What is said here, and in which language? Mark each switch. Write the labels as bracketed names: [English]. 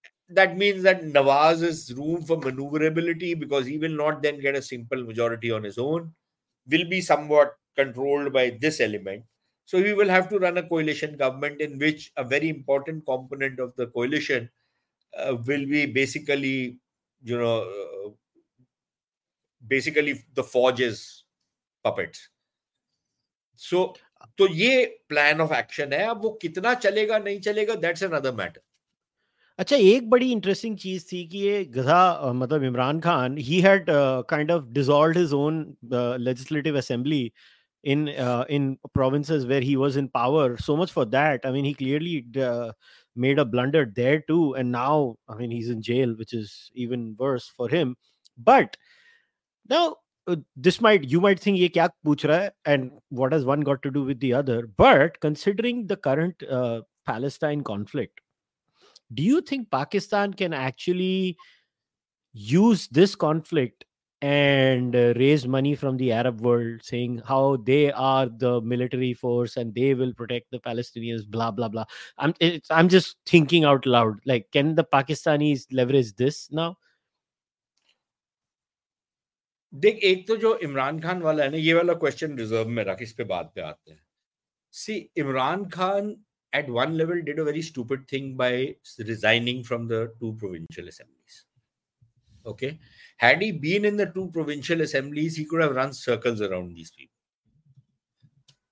[English] That means that Nawaz is room for maneuverability because he will not then get a simple majority on his own, will be somewhat controlled by this element. So he will have to run a coalition government in which a very important component of the coalition will be basically, you know, basically the Fauj's puppets. So, [Hindi] तो ये [English] Plan of action है. [Hindi] अब वो कितना चलेगा नहीं चलेगा, [English] That's another matter. [Hindi] अच्छा, एक बड़ी इंटरेस्टिंग चीज थी कि ये गधा मतलब Imran Khan, [English] He had kind of dissolved his own legislative assembly in in provinces where he was in power. So much for that. I mean he clearly made a blunder there too, and now I mean he is in jail, which is even worse for him. But now this might, you might think [Hindi] ye kya pooch raha hai [English] and what has one got to do with the other, but considering the current Palestine conflict, do you think Pakistan can actually use this conflict and raise money from the Arab world, saying how they are the military force and they will protect the Palestinians, blah blah blah. I'm just thinking out loud, like, can the Pakistanis leverage this now? [Hindi] देख, एक तो जो इमरान खान वाला है ना, ये वाला question reserve में रख, इस पे बाद पे आते हैं. [English] See, Imran Khan at one level did a very stupid thing by resigning from the two provincial assemblies. Okay, had he been in the two provincial assemblies, he could have run circles around these people.